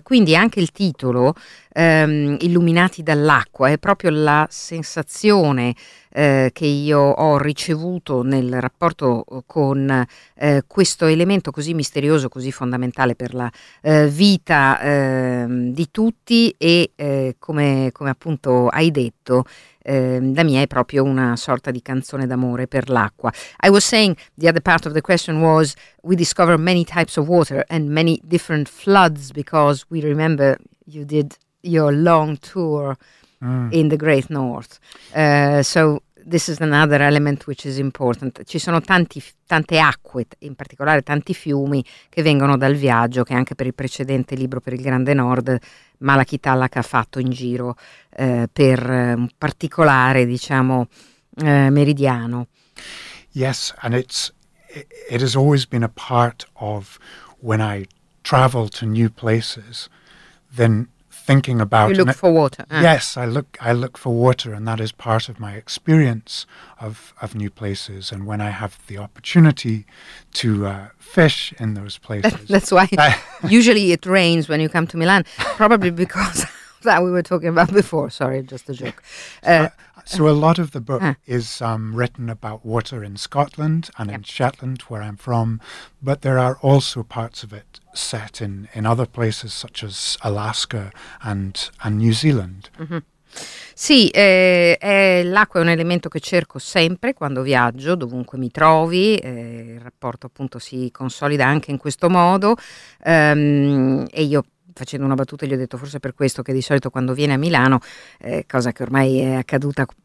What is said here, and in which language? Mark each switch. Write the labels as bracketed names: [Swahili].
[Italian] Quindi anche il titolo, Illuminati dall'acqua, è proprio la sensazione che io ho ricevuto nel rapporto con questo elemento così misterioso, così fondamentale per la vita di tutti e, come appunto hai detto, la mia è proprio una sorta di canzone d'amore per l'acqua. [English] I was saying the other part of the question was we discover many types of water and many different floods because we remember you did your long tour in the Great North. So this is another element which is important. [Italian] Ci sono tante acque, in particolare tanti fiumi che vengono dal viaggio che anche per il precedente libro per il Grande Nord Malachi Tallack ha fatto in giro per un particolare, diciamo, meridiano. [English] Yes, and it has always been a part of when I travel to new places, then thinking about you look for water. Yes, I look for water, and that is part of my experience of new places. And when I have the opportunity to fish in those places, that's why usually it rains when you come to Milan, probably because that we were talking about before. Sorry, just a joke. So a lot of the book is written about water in Scotland and in Shetland, where I'm from, but there are also parts of it set in other places such as Alaska and New Zealand. Mm-hmm. [Italian] Sì, l'acqua è un elemento che cerco sempre quando viaggio, dovunque mi trovi, il rapporto appunto si consolida anche in questo modo, e io facendo una battuta gli ho detto forse per questo che di solito quando viene a Milano, cosa che ormai è accaduta